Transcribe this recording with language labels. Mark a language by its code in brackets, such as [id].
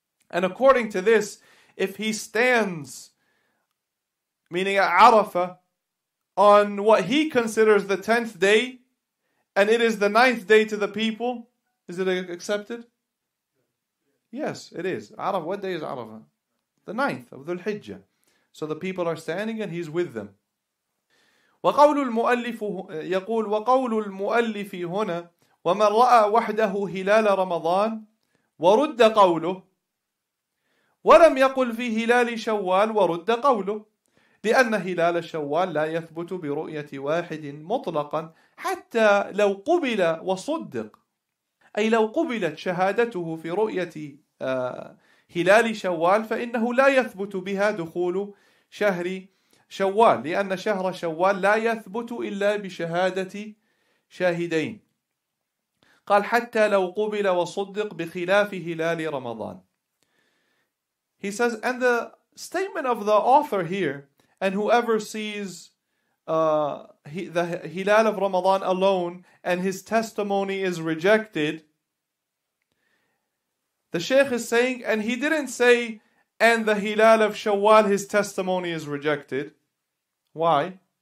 [en] And according to this, if he stands, meaning at Arafah, on what he considers the 10th day, and it is the 9th day to the people, is it accepted? Yes, it is. Arafah, what day is Arafah? The 9th of Dhul Hijjah. So the people are standing and he's with them. [ar] وقول المؤلف يقول وقول المؤلف هنا ومن رأى وحده هلال رمضان ورد قوله ولم يقل في هلال شوال ورد قوله لأن هلال شوال لا يثبت برؤية واحد مطلقا حتى لو قبل وصدق أي لو قبلت شهادته في رؤية هلال شوال فإنه لا يثبت بها دخول شهر شوال لأن شهر شوال لا يثبت إلا بشهادة شاهدين قال حتى لو قبل وصدق بخلاف هلال رمضان. [en] He says, and the statement of the author here, and whoever sees the hilal of Ramadan alone and his testimony is rejected, the Shaykh is saying, and he didn't say, and the hilal of Shawwal, his testimony is rejected. Why?